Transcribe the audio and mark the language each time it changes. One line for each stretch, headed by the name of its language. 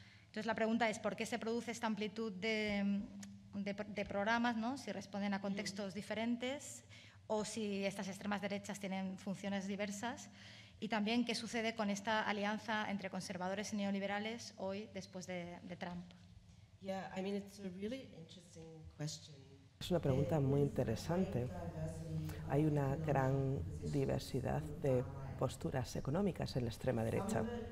Spanish: Entonces la pregunta es, ¿por qué se produce esta amplitud de programas, ¿no?, si responden a contextos diferentes o si estas extremas derechas tienen funciones diversas? Y también, ¿qué sucede con esta alianza entre conservadores y neoliberales hoy, después de Trump?
English: Yeah, I mean, it's a really interesting question.
Spanish: Es una pregunta muy interesante. Hay una gran diversidad de posturas económicas en la extrema derecha.